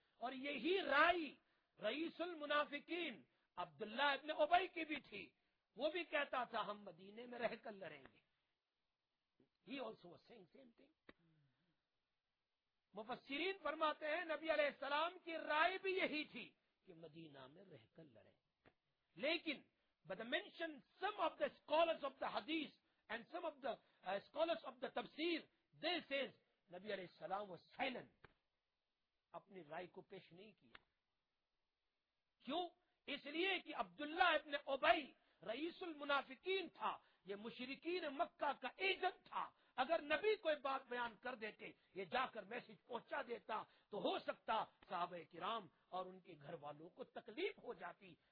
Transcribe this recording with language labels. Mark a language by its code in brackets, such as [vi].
[ur] اور یہی رائی رئیس المنافقین عبداللہ ابن ابی کی بھی تھی، وہ بھی کہتا تھا ہم مدینے میں رہ کر لڑیں گے. [en] He also was saying same thing. [ur] مفسرین فرماتے ہیں نبی علیہ السلام کی رائے بھی یہی تھی کہ مدینہ میں رہ کر لڑیں. لیکن [en] by the mention some of the scholars of the hadith and some of the scholars of the tafsir, they says نبی علیہ السلام was silent. [ur] اپنی رائے کو پیش نہیں کیا. کیوں؟ اس لیے کہ عبداللہ ابن ابی رئیس المنافقین تھا، یہ مشرکین مکہ کا ایجنٹ تھا. اگر نبی کوئی بات بیان کر دیتے، یہ جا کر میسج پہنچا دیتا، تو ہو سکتا صحابہ کرام اور ان کے گھر والوں کو تکلیف ہو جاتی.